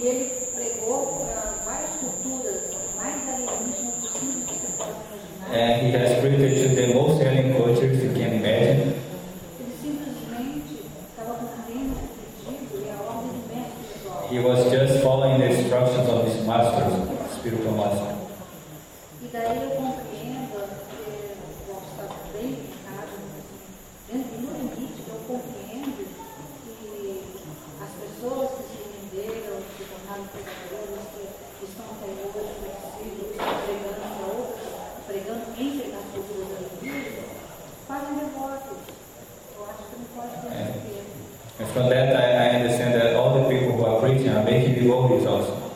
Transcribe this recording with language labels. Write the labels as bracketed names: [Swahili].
[Portuguese] E ele pregou para várias culturas, mais alienígenas do que você pode imaginar. [English] He has preached to the most alien cultures you can imagine. [Portuguese] Ele simplesmente estava cumprindo o pedido e a ordem do mestre. [English] He was just following the instructions of his master, spiritual master. [Portuguese] E daí eu compreendo que o estava bem ficado, dentro do limite que eu compreendo que as pessoas que se renderam, que se tornaram pregadores, que estão até hoje conhecidos, pregando para outros, pregando entre as pessoas da igreja, fazem devotos. Eu acho que não pode ser assim. [English] And from that I understand that all the people who are preaching are making devotees also.